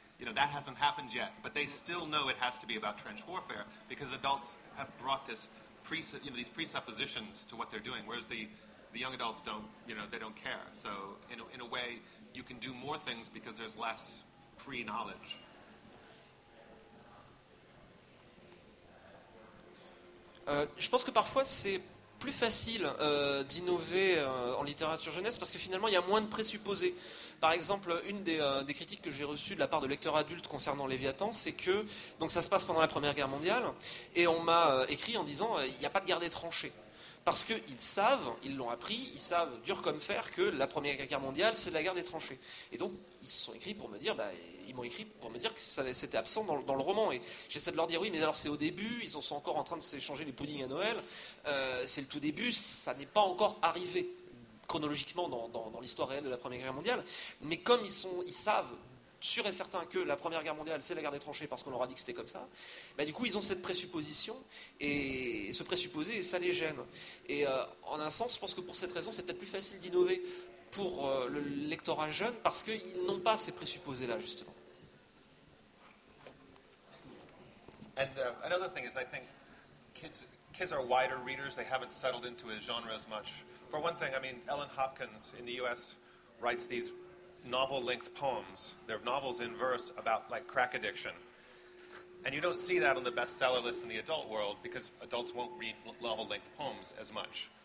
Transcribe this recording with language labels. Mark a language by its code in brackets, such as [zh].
[en] You know, that hasn't happened yet, but they still know it has to be about trench warfare because adults have brought this these presuppositions to what they're doing, whereas the young adults don't, you know, they don't care. So in a way, you can do more things because there's less pre-knowledge. [fr] Je pense que parfois c'est plus facile d'innover en littérature jeunesse parce que finalement il y a moins de présupposés. Par exemple, une des critiques que j'ai reçues de la part de lecteurs adultes concernant Léviathan, c'est que donc ça se passe pendant la Première Guerre mondiale et on m'a écrit en disant il n'y a pas de guerre des tranchées. Parce qu'ils savent, ils l'ont appris, ils savent dur comme fer que la Première Guerre mondiale c'est de la guerre des tranchées. Et donc ils se sont écrits pour me dire, ils m'ont écrit pour me dire que ça, c'était absent dans le roman. Et j'essaie de leur dire oui, mais alors c'est au début, ils sont encore en train de s'échanger les puddings à Noël, c'est le tout début, ça n'est pas encore arrivé chronologiquement dans l'histoire réelle de la Première Guerre mondiale. Mais comme ils savent, sûr et certain que la Première Guerre mondiale c'est la guerre des tranchées parce qu'on leur a dit que c'était comme ça, du coup ils ont cette présupposition et ce présupposé ça les gêne. Et en un sens je pense que pour cette raison c'est peut-être plus facile d'innover pour le lectorat jeune parce qu'ils n'ont pas ces présupposés là justement. [en] And another thing is I think kids are wider readers, they haven't settled into a genre as much. For one thing, I mean, Ellen Hopkins in the U.S. writes these novel-length poems. They're novels in verse about, like, crack addiction. And you don't see that on the bestseller list in the adult world because adults won't read novel-length poems as much.